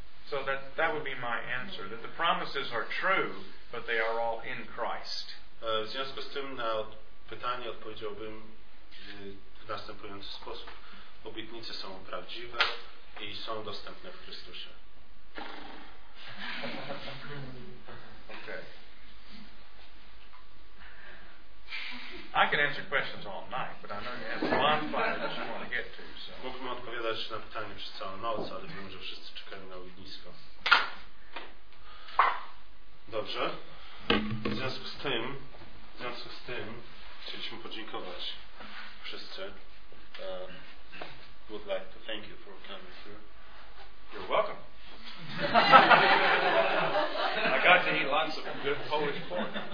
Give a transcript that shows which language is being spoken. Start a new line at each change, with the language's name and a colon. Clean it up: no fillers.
English: So that would be my answer, that the promises are true, but they are all in Christ.
Polish: W związku z tym na pytanie odpowiedziałbym w następujący sposób. Obietnice są prawdziwe i są dostępne w Chrystusie.
English: Okay. I can answer questions all night, but I know you have a bonfire that you want to get to. So.
Polish: Mógłbym odpowiadać na pytanie przez całą noc, ale wiem, że wszyscy czekają na ognisko. Dobrze. W związku z tym, chcieliśmy podziękować wszyscy.
English: Would like to thank you for coming through. You're welcome. I got to eat lots of good Polish pork.